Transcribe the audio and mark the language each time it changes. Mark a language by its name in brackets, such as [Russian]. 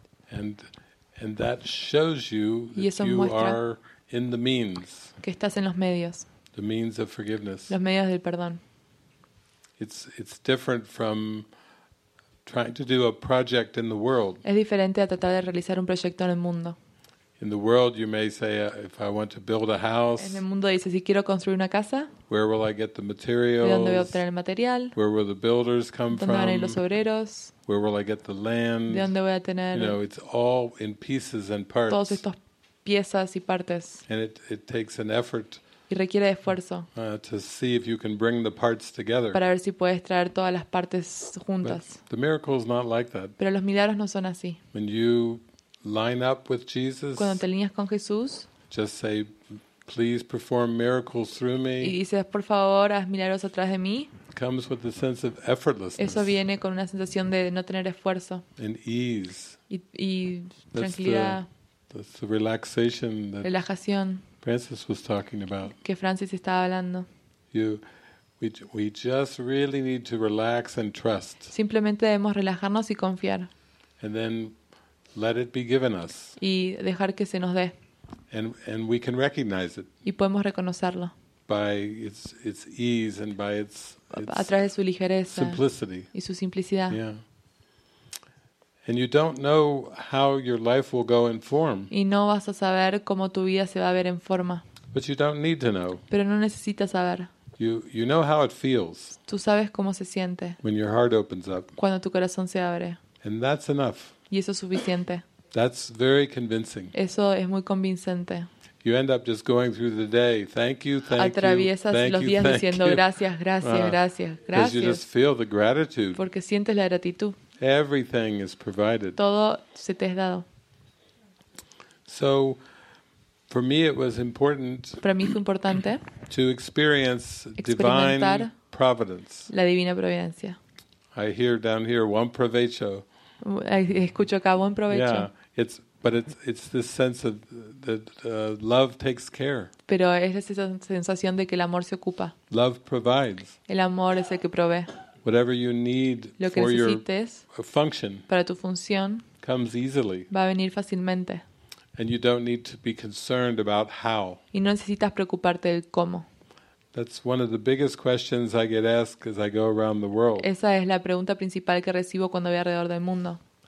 [English] And that shows you that you are in the means. [Spanish] Que estás en los medios. [English] The means of forgiveness. [Spanish] Los medios del perdón. [English] It's different from trying to do a project in the world. [Spanish] Es diferente a tratar de realizar un proyecto en el mundo. [English] In the world, you may say, if I want to build a house. [Spanish] En el mundo dices, si quiero construir una casa. [English] Where will I get the materials? [Spanish] ¿De dónde voy a obtener el material? [English] Where will the builders come from? [Spanish] ¿Dónde van a ir los obreros? [English] Where will I get the land? [Spanish] ¿De dónde voy a tener? [English] You know, it's all in pieces and parts. [Spanish] Todos estos piezas y partes. [English] And it takes an effort. [Spanish] Y requiere de esfuerzo. [English] To see if you can bring the parts together. [Spanish] Para ver si puedes traer todas las partes juntas. [English] But the miracle is not like that. [Spanish] Pero los milagros no son así. [English] When you line up with Jesus. [Spanish] Cuando te alineas con Jesús. [English] Just say, please perform miracles through me. [Spanish] Y dices, por favor, haz milagros a través de mí. [English] Comes with the sense of effortlessness. [Spanish] Eso viene con una sensación de no tener esfuerzo. [English] And ease. [Spanish] Y tranquilidad. [English] That's the relaxation. [Spanish] Relajación. [English] Francis was talking about. [Spanish] Que Francis estaba hablando. [English] We just really need to relax and trust. [Spanish] Simplemente debemos relajarnos y confiar. [English] And then let it be given us. [Spanish] Y dejar que se nos dé. [English] And we can recognize it. [Spanish] Y podemos reconocerlo. [English] By its ease and by its [Spanish] a través de su ligereza [English] simplicity. [Spanish] Y su simplicidad. [English] Yeah. And you don't know how your life will go in form. [Spanish] Y no vas a saber cómo tu vida se va a ver en forma. [English] But you don't need to know. [Spanish] Pero no necesitas saber. [English] You know how it feels. [Spanish] Tú sabes cómo se siente. [English] When your heart opens up. [Spanish] Cuando tu corazón se abre. [English] And that's enough. [Spanish] Y eso es suficiente. [English] That's very convincing. [Spanish] Eso es muy convincente. [English] You end up just going through the day. Thank you, thank you. [Spanish] Atraviesas los días diciendo gracias, gracias, gracias, gracias. [English] Because you just feel the gratitude. [Spanish] Porque sientes la gratitud. [English] Everything is provided. [Spanish] Todo se te es dado. [English] So, for me, it was important. [Spanish] Para mí fue importante. [English] To experience divine providence. [Spanish] La divina providencia. [English] I hear down here [Spanish] buen provecho. Escucho acá buen provecho. [English] Yeah, it's. But it's this sense of that love takes care. [Spanish] Pero es esa sensación de que el amor se ocupa. [English] Love provides. [Spanish] El amor es el que provee. [English] Whatever you need [Spanish] lo que [English] for your [Spanish] function para tu función [English] comes easily. [Spanish] Va a venir fácilmente. [English] And you don't need to be concerned about how. [Spanish] Y no necesitas preocuparte del cómo. [English] That's one of the biggest questions I get asked as I go around the world. [Spanish] Esa es la pregunta principal que recibo cuando voy alrededor del mundo.